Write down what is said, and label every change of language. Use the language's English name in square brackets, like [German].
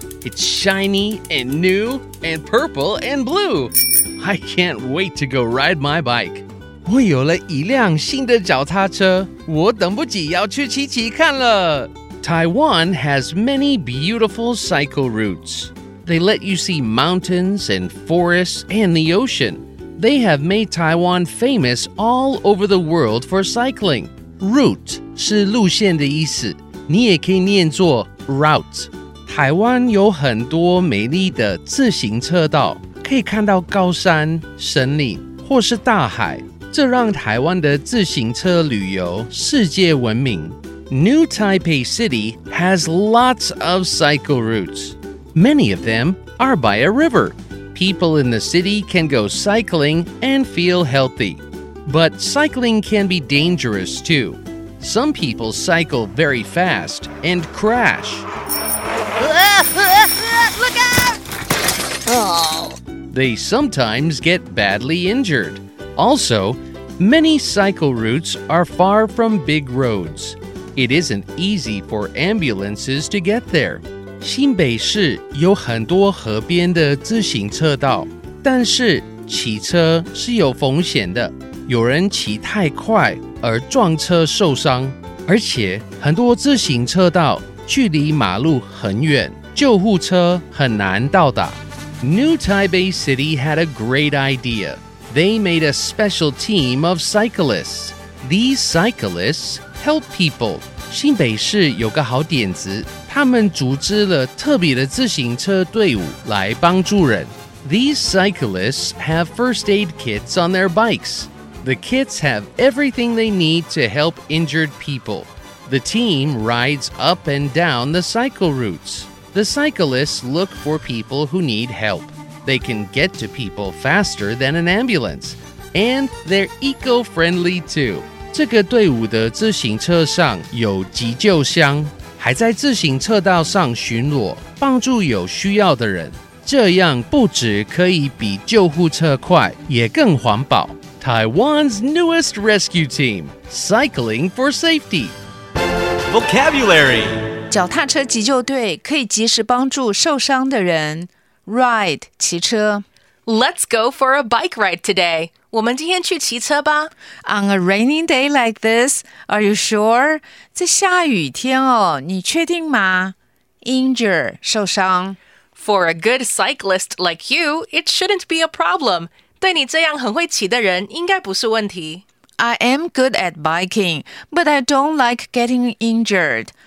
[English] It's shiny and new and purple and blue. I can't wait to go ride my bike. [Chinese] 我有了一辆新的脚踏车，我等不及要去骑骑看了。 [English] Taiwan has many beautiful cycle routes. They let you see mountains and forests and the ocean. They have made Taiwan famous all over the world for cycling. [Chinese] Route 是路线的意思，你也可以念作 route。台湾有很多美丽的自行车道，可以看到高山、森林或是大海。这让台湾的自行车旅游世界闻名。 [English] New Taipei City has lots of cycle routes. Many of them are by a river. People in the city can go cycling and feel healthy. But cycling can be dangerous too. Some people cycle very fast and crash. Look out! Oh. They sometimes get badly injured. Also, many cycle routes are far from big roads. It isn't easy for ambulances to get there. [Chinese] 新北市有很多河边的自行车道，但是骑车是有风险的。有人骑太快而撞车受伤，而且很多自行车道距离马路很远，救护车很难到达。 [English] New Taipei City had a great idea. They made a special team of cyclists. These cyclists... Help people. [Chinese] 新北市有个好点子，他们组织了特别的自行车队伍来帮助人。 [English] These cyclists have first aid kits on their bikes. The kits have everything they need to help injured people. The team rides up and down the cycle routes. The cyclists look for people who need help. They can get to people faster than an ambulance. And they're eco-friendly too. [Chinese] 这个队伍的自行车上有急救箱，还在自行车道上巡逻，帮助有需要的人。这样不只可以比救护车快，也更环保。 [English] Taiwan's newest rescue team, cycling for safety. Vocabulary. [Chinese] 脚踏车急救队可以及时帮助受伤的人。 Ride, 骑车。 [English] Let's go for a bike ride today. [Chinese] 我们今天去骑车吧。 [English] On a rainy day like this, are you sure? [Chinese] 在下雨天哦，你确定吗？Injure, 受伤。 [English] For a good cyclist like you, it shouldn't be a problem. [Chinese] 对你这样很会骑的人应该不是问题。 [English] I am good at biking, but I don't like getting injured.